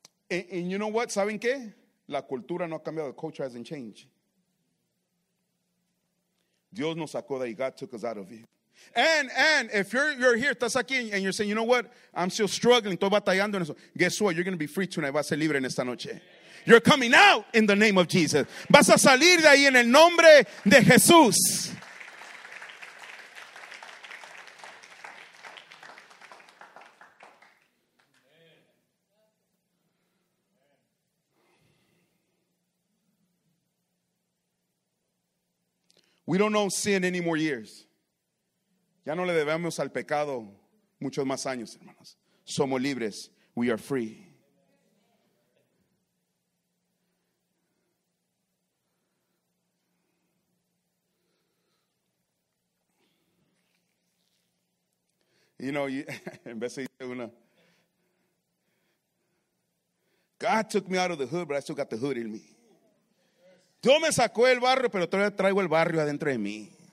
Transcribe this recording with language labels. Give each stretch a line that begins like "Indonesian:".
English: And you know what?
Spanish: ¿Saben qué? La cultura no ha cambiado.
English: The culture hasn't changed.
Spanish: Dios nos sacó de ahí.
English: God took us out of you. And if you're here,
Spanish: estás aquí,
English: and you're saying, you know what? I'm still struggling.
Spanish: Estoy batallando en eso.
English: Guess what? You're going to be free tonight.
Spanish: Vas a ser libre en esta noche.
English: You're coming out in the name of Jesus.
Spanish: Vas a salir de ahí en el nombre de Jesús.
English: We don't know sin any more years.
Spanish: Ya no le debemos al pecado muchos más años, hermanos. Somos libres.
English: We are free. You know,
Spanish: en vez de decir una,
English: God took me out of the hood, but I still got the hood in me.
Spanish: Dios me sacó el barrio, pero todavía traigo el barrio adentro de mí.